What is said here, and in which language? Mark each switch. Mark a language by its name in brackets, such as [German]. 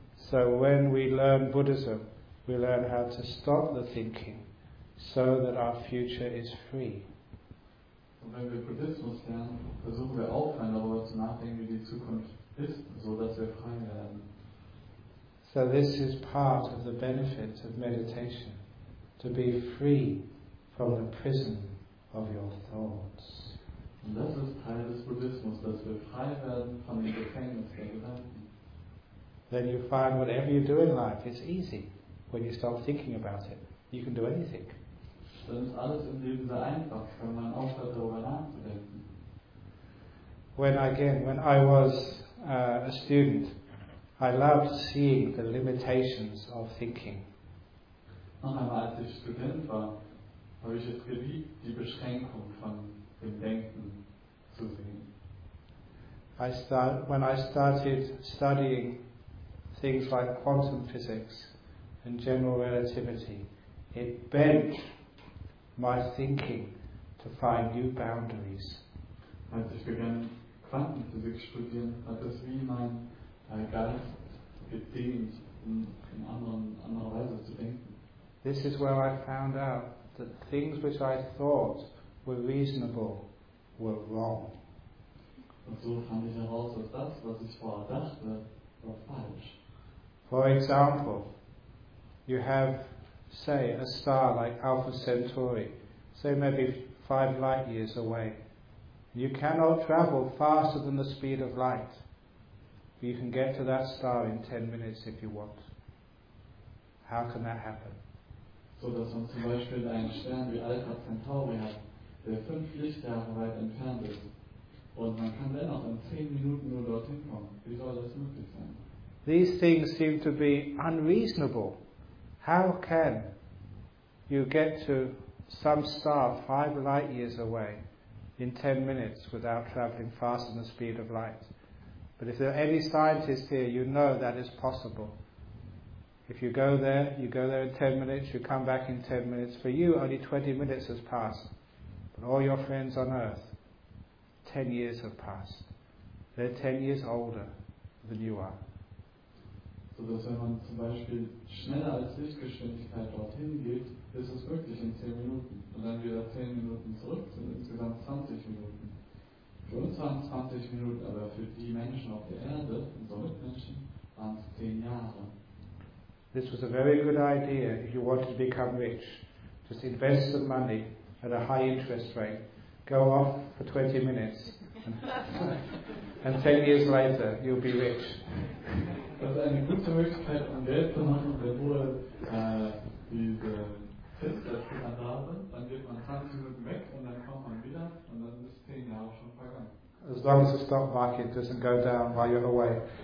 [English] So when we learn Buddhism, we learn how to stop the thinking so that our future is free. [German] wenn wir Buddhismus lernen, versuchen wir auch fein darüber zu nachdenken, wie die Zukunft ist, so dass wir frei werden. [English] So this is part of the benefit of meditation, to be free from the prison of your thoughts. [German] Und das ist Teil des Buddhismus, dass wir frei werden von dem Gefängnis der Gedanken. [English] Then you find whatever you do in life, it's easy when you stop thinking about it. You can do anything. [German] Dann ist alles im Leben sehr einfach, wenn man aufhört darüber nachzudenken. [English] When I was a student, I loved seeing the limitations of thinking. [German] Noch einmal, als ich Student war, habe ich es geliebt, die Beschränkung von dem Denken zu sehen. [English] When I started studying things like quantum physics and general relativity, it bent my thinking to find new boundaries. [German] Als ich begann Quantenphysik studieren, hat es wie mein Geist gedehnt, in anderer Weise zu denken. [English] This is where I found out that things which I thought were reasonable were wrong. [German] Und so fand ich heraus, dass das, was ich vorher dachte, war falsch. [English] For example, you have, say, a star like Alpha Centauri, say maybe 5 light years away. You cannot travel faster than the speed of light, but you can get to that star in 10 minutes if you want. How can that happen? [German] So dass man zum Beispiel einen Stern wie Alpha Centauri hat, der 5 Lichtjahre weit entfernt ist, und man kann dennoch in 10 Minuten nur dorthin kommen. Wie soll das möglich sein? [English] These things seem to be unreasonable. How can you get to some star 5 light years away in 10 minutes without travelling faster than the speed of light? But if there are any scientists here, you know that is possible. If you go there, you go there in 10 minutes, you come back in 10 minutes. For you, only 20 minutes has passed. But all your friends on Earth, 10 years have passed. They're 10 years older than you are. [German] So dass wenn man zum Beispiel schneller als Lichtgeschwindigkeit dorthin geht, ist es wirklich in 10 Minuten. Und dann wieder 10 Minuten zurück, sind insgesamt 20 Minuten. Für uns waren es 20 Minuten, aber für die Menschen auf der Erde, unsere Mitmenschen, waren es 10 Jahre. [English] This was a very good idea if you wanted to become rich. Just invest some money at a high interest rate. Go off for 20 minutes. And 10 years later, you'll be rich. [German] Das ist eine gute Möglichkeit, um Geld zu machen, wenn nur diese Tests da sind, dann geht man 20 Minuten weg und dann kommt man wieder und dann ist 10 Jahre schon vergangen. [English] As long as the stock market doesn't go down while you're away.